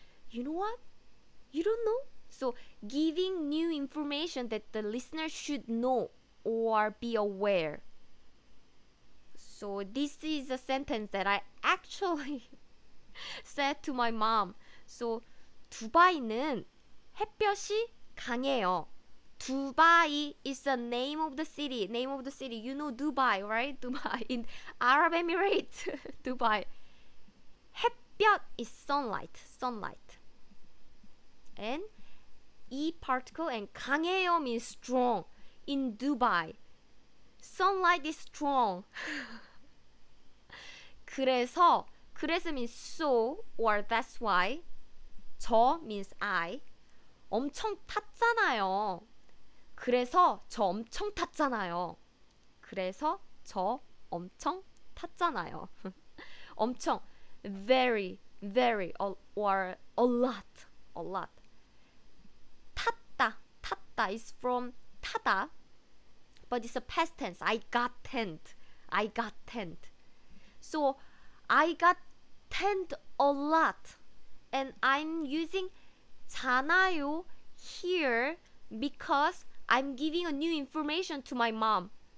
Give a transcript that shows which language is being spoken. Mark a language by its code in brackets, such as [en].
[en] You know what? You don't know? So giving new information that the listener should know or be aware. So this is a sentence that I actually said to my mom. So [ko] 두바이는 햇볕이 강해요. [en] Dubai is the name of the city. Name of the city. You know Dubai, right? Dubai in Arab Emirates. Dubai. 햇볕 is sunlight. Sunlight. And E particle and 강해요 means strong. In Dubai, sunlight is strong. [ko] 그래서, 그래서 [en] means so or that's why. [ko] 저 [en] means I. [ko] 엄청 탔잖아요. 그래서 저 엄청 탔잖아요. 그래서 저 엄청 탔잖아요. [en] 엄청 very very or a lot [ko] 탔다 탔다 [en] is from 타다 but it's a past tense. I got tanned. I got tanned. So I got tanned a lot and I'm using 잖아요 here because I'm giving a new information to my mom.